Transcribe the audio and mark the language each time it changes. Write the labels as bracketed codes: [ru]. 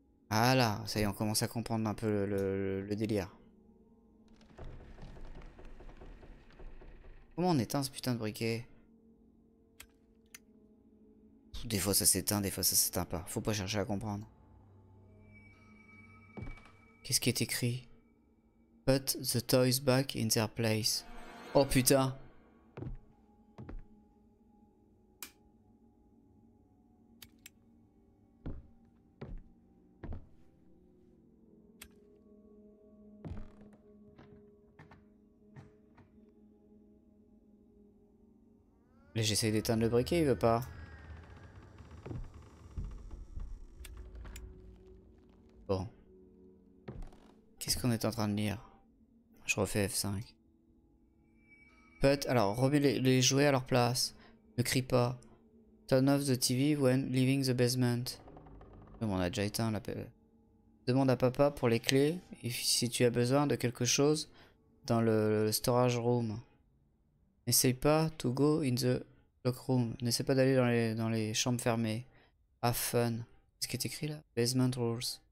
[fr] Ah là, ça y est, on commence à comprendre un peu le délire. Comment on éteint ce putain de briquet? Des fois ça s'éteint, des fois ça s'éteint pas. Faut pas chercher à comprendre. Qu'est-ce qui est écrit? [en] Put the toys back in their place. [fr] Oh putain! J'essaie d'éteindre le briquet, il veut pas. Bon. Qu'est-ce qu'on est en train de lire? Je refais F5. Put, alors, remets les jouets à leur place. Ne crie pas. [en] Turn off the TV when leaving the basement. [fr] Bon, on a déjà éteint l'appel. Demande à papa pour les clés et si tu as besoin de quelque chose dans le storage room. N'essaye pas [en] to go in the... [fr] Lockroom, n'essaie pas d'aller dans les chambres fermées. [en] Have fun. [fr] Qu'est-ce qui est écrit là? [en] Basement rules.